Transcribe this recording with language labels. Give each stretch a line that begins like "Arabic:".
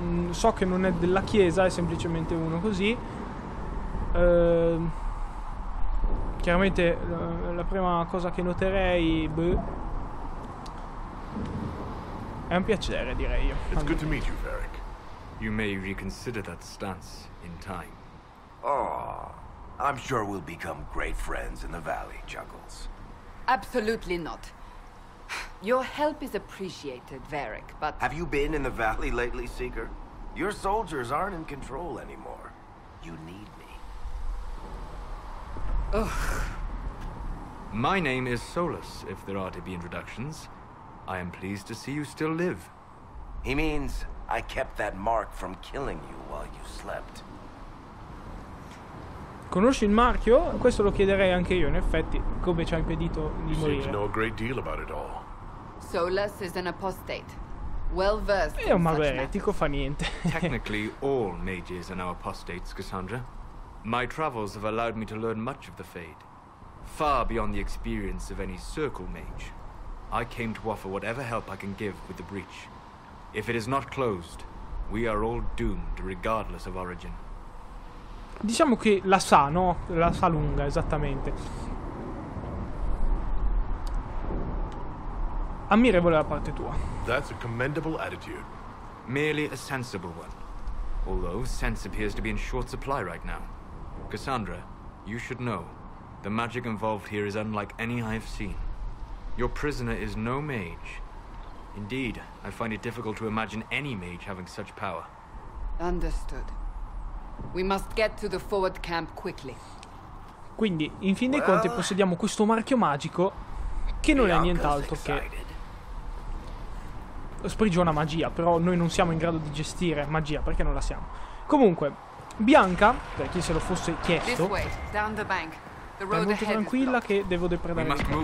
Italian: So che non è della chiesa, è semplicemente uno così. Chiaramente la prima cosa che noterei, è un piacere, direi io.
English: It's good to meet you, Varric. You may reconsider that stance in time. Oh, I'm sure we'll become great friends in the valley, Chuckles. Absolutely not. Your help is appreciated, Varric, but... Have you been in the valley lately, Seeker? Your soldiers aren't in control anymore. You need me. Ugh. My name is Solas, if there are to be introductions. I am pleased to see you still live. He means I kept that mark from killing you while you slept.
Italian: Conosci il marchio? Questo lo chiederei anche io, in effetti, come ci ha impedito di morire.
English: You seem to know a great deal about it all. Solas is an apostate. Well versed.
Italian: È un mago eretico, fa niente.
English: Technically, all mages are now apostates, Cassandra. My travels have allowed me to learn much of the Fade, far beyond the experience of any circle mage. I came to offer whatever help I can give with the breach. If it is not closed, we are all doomed, regardless of origin.
Italian: Diciamo che la sa, no? La sa lunga, esattamente. Ammirevole da parte tua.
English: That's a commendable attitude. Merely a sensible one. Although sense appears to be in short supply right now. Cassandra, you should know, the magic involved here is unlike any I have seen. Your prisoner is no mage. Indeed, I find it difficult to imagine any mage having such power. Understood. We must get to the forward camp quickly.
Italian: Quindi, in fin dei conti, possediamo questo marchio magico che non è nient'altro che sprigiona magia, però noi non siamo in grado di gestire magia, perché non la siamo. Comunque, Bianca, per chi se lo fosse chiesto, è molto tranquilla che devo depredare.